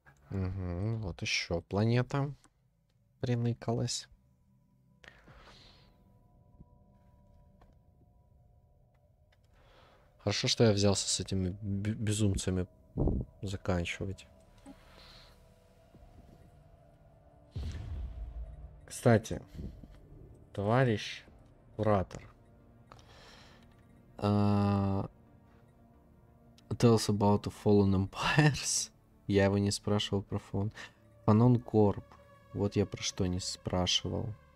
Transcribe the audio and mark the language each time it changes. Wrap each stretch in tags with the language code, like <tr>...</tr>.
<ru>Угу, вот еще планета приныкалась. Хорошо, что я взялся с этими безумцами заканчивать. Кстати, товарищ куратор,</ru> <en>tell us about the Fallen Empires.</en> <ru>Я его не спрашивал про фон. Фанон Корп. Вот я про что не спрашивал.</ru>